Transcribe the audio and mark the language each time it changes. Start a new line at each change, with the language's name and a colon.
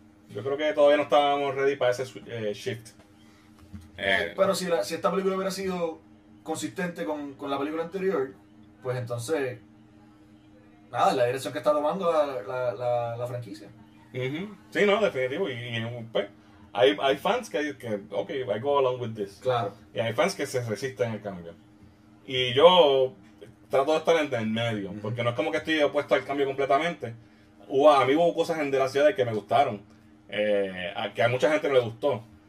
Spanish: Yo creo que todavía no estábamos ready para ese shift. Pero si esta película hubiera sido consistente con la película anterior, pues entonces, nada, la dirección que está tomando la franquicia. Uh-huh. Sí, no, definitivo. Hay fans que,
English: ok, I go along with this.
Spanish: Claro. Y hay fans que se resisten al cambio. Y yo trato de estar en el medio, uh-huh. porque no es como que estoy opuesto al cambio completamente. A mí hubo cosas en The Last Jedi que me gustaron, que a mucha gente no le gustó.